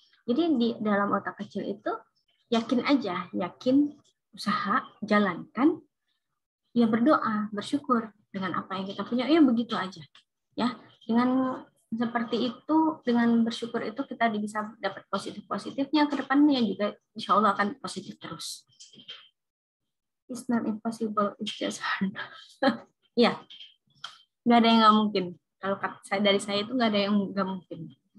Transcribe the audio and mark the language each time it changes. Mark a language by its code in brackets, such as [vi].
[id] Jadi di dalam otak kecil itu yakin aja, yakin, usaha, jalankan, ya berdoa, bersyukur dengan apa yang kita punya, ya begitu aja. Ya, dengan seperti itu, dengan bersyukur itu kita bisa dapat positif-positifnya ke depannya juga insya Allah akan positif terus. [en] It's not impossible, it's just hard. [id] Ya, nggak ada yang nggak mungkin. Kalau dari saya itu nggak ada yang nggak mungkin.